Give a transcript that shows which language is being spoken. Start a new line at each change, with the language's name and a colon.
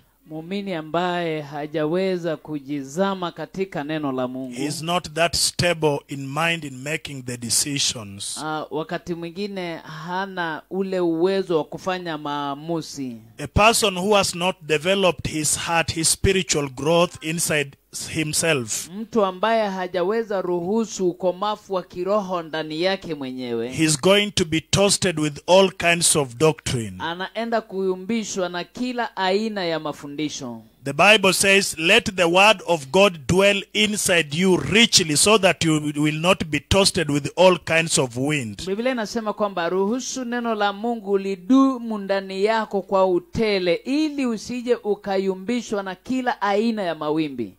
Swahili: Muumini ambaye hajaweza kujizama katika neno la Mungu.
English: Is not that stable in mind in making the decisions.
Swahili: Wakati mwingine hana ule uwezo wa kufanya maamuzi.
English: A person who has not developed his heart, his spiritual growth inside himself.
Swahili: Mtu ambaye hajaweza ruhusu ukomafu wa kiroho ndani yake mwenyewe.
English: He's going to be toasted with all kinds of doctrine.
Swahili: Anaenda kuyumbishwa na kila aina ya mafundisho.
English: The Bible says, let the word of God dwell inside you richly so that you will not be tossed with all kinds of wind.
Swahili: Biblia inasema kwamba ruhusu neno la Mungu lidu mundani yako kwa utele ili usije ukayumbishwa na kila aina ya mawimbi.